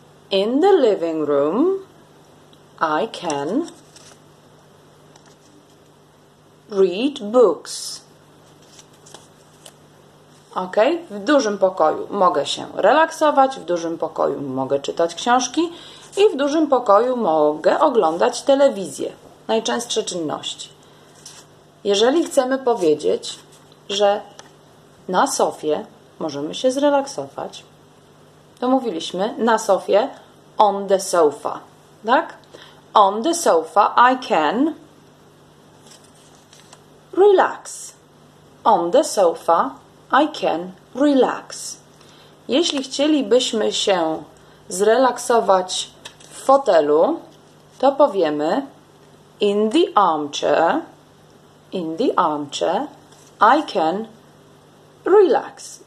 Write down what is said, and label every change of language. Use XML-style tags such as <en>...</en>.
<en>In the living room I can read books. OK?</en> <pl>W dużym pokoju mogę się relaksować, w dużym pokoju mogę czytać książki i w dużym pokoju mogę oglądać telewizję. Najczęstsze czynności. Jeżeli chcemy powiedzieć, że na sofie możemy się zrelaksować, to mówiliśmy na sofie</pl> <en>on the sofa. Tak? On the sofa I can relax. On the sofa I can relax.</en> <pl>Jeśli chcielibyśmy się zrelaksować w fotelu, to powiemy</pl> <en>in the armchair. In the armchair I can relax.</en>